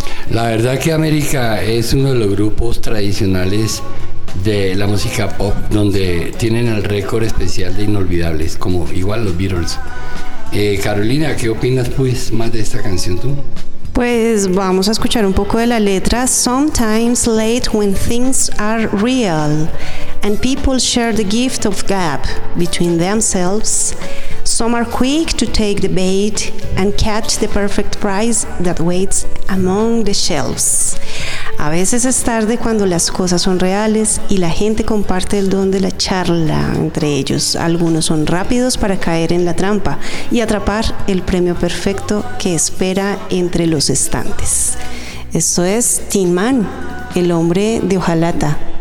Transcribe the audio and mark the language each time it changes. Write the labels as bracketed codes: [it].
[es] La verdad que América es uno de los grupos tradicionales de la música pop, donde tienen el récord especial de inolvidables, como igual los Beatles. Carolina, ¿qué opinas pues más de esta canción tú? Pues vamos a escuchar un poco de la letra. [en] Sometimes late when things are real and people share the gift of gab between themselves, some are quick to take the bait and catch the perfect prize that waits among the shelves. [es] A veces es tarde cuando las cosas son reales y la gente comparte el don de la charla entre ellos. Algunos son rápidos para caer en la trampa y atrapar el premio perfecto que espera entre los estantes. Esto es Tin Man, el hombre de Ojalata.